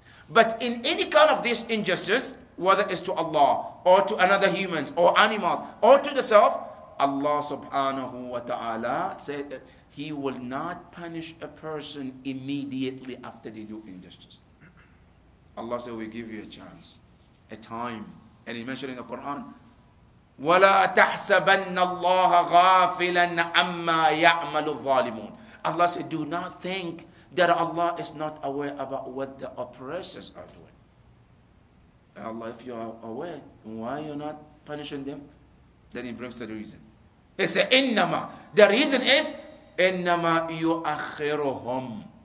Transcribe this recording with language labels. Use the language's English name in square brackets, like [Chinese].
[English] But in any kind of this injustice, whether it's to Allah or to another humans or animals or to the self, Allah subhanahu wa ta'ala said, He will not punish a person immediately after they do injustice. Allah said, we give you a chance, a time. And he mentioned in the Quran, [Arabic] ولا تحسبن الله غافلا عما يعمل الظالمون. [English] Allah said, do not think that Allah is not aware about what the oppressors are doing. Allah, if you are aware, why are you not punishing them? Then he brings to the reason. He said, innama. The reason is, [Arabic] innama yuakhiruhum.